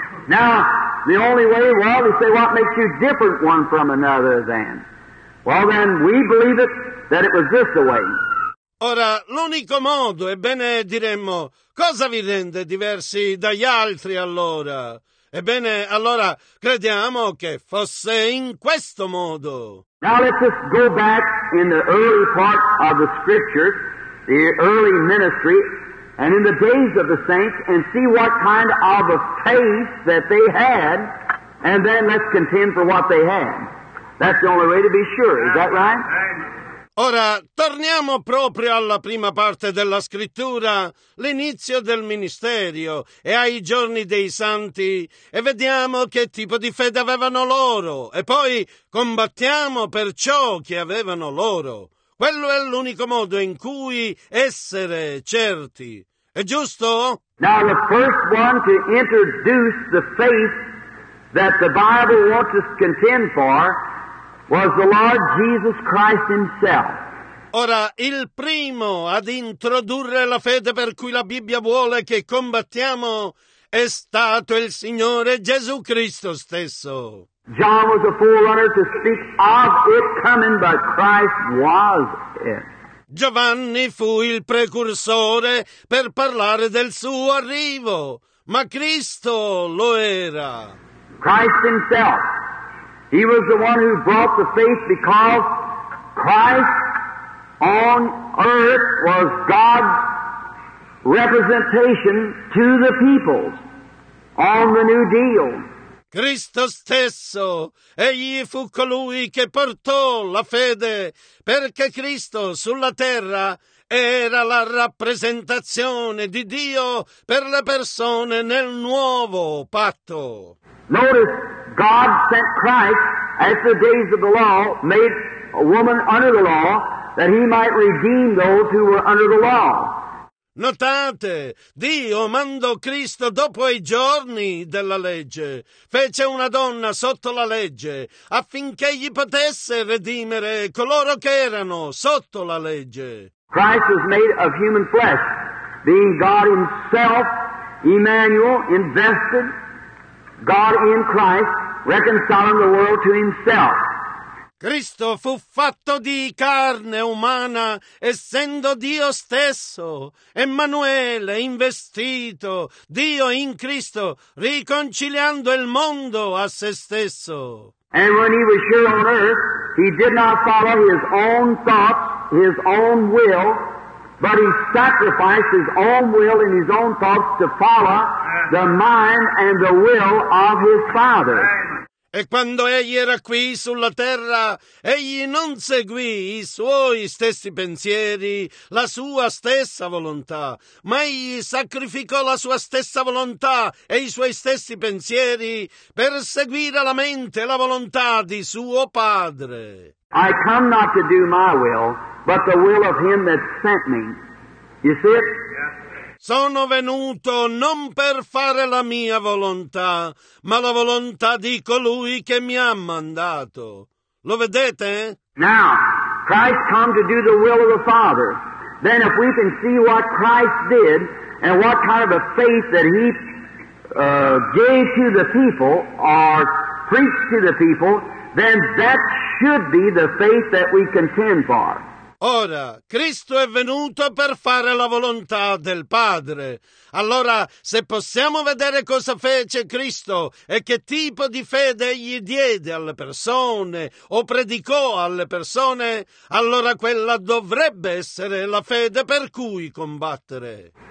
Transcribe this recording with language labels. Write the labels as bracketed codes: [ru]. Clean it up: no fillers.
[en] Now, the only way, well, to say what makes you different one from another then. Well then, we believe it, that it was this way. [it] Ora, l'unico modo, ebbene diremmo, cosa vi rende diversi dagli altri allora? Ebbene, allora, crediamo che fosse in questo modo. [en] Now let's just go back in the early part of the scripture, the early ministry, and in the days of the saints, and see what kind of a faith that they had, and then let's contend for what they had. That's the only way to be sure, is that right? [it] Ora, torniamo proprio alla prima parte della scrittura, l'inizio del ministero e ai giorni dei santi, e vediamo che tipo di fede avevano loro, e poi combattiamo per ciò che avevano loro. Quello è l'unico modo in cui essere certi. È giusto? [en] Now the first one to introduce the faith that the Bible wants us to contend for was the Lord Jesus Christ himself. [it] Ora, il primo ad introdurre la fede per cui la Bibbia vuole che combattiamo è stato il Signore Gesù Cristo stesso. [en] John was a forerunner to speak of it coming, but Christ was it. [it] Giovanni fu il precursore per parlare del suo arrivo, ma Cristo lo era. [en] Christ himself. He was the one who brought the faith because Christ on earth was God's representation to the people on the New Deal. [it] Cristo stesso, egli fu colui che portò la fede, perché Cristo sulla terra era la rappresentazione di Dio per le persone nel nuovo patto. [en] Notice, God sent Christ as the days of the law made a woman under the law that he might redeem those who were under the law. [it] Notate, Dio mandò Cristo dopo i giorni della legge, fece una donna sotto la legge, affinché egli potesse redimere coloro che erano sotto la legge. [en] Christ was made of human flesh, being God himself, Emmanuel, invested, God in Christ, reconciling the world to himself. [it] Cristo fu fatto di carne umana, essendo Dio stesso. Emanuele investito, Dio in Cristo, riconciliando il mondo a se stesso. [en] And when he was here on earth, he did not follow his own thoughts, his own will, but he sacrificed his own will and his own thoughts to follow the mind and the will of his Father. [it] E quando egli era qui sulla terra, egli non seguì i suoi stessi pensieri, la sua stessa volontà, ma egli sacrificò la sua stessa volontà e i suoi stessi pensieri per seguire la mente e la volontà di suo Padre. [en] I come not to do my will, but the will of him that sent me. You see it? [it] Sono venuto non per fare la mia volontà, ma la volontà di colui che mi ha mandato. Lo vedete? [en] Now, Christ come to do the will of the Father. Then if we can see what Christ did and what kind of a faith that he gave to the people or preached to the people, then that should be the faith that we contend for. [it] Ora, Cristo è venuto per fare la volontà del Padre. Allora, se possiamo vedere cosa fece Cristo e che tipo di fede egli diede alle persone o predicò alle persone, allora quella dovrebbe essere la fede per cui combattere.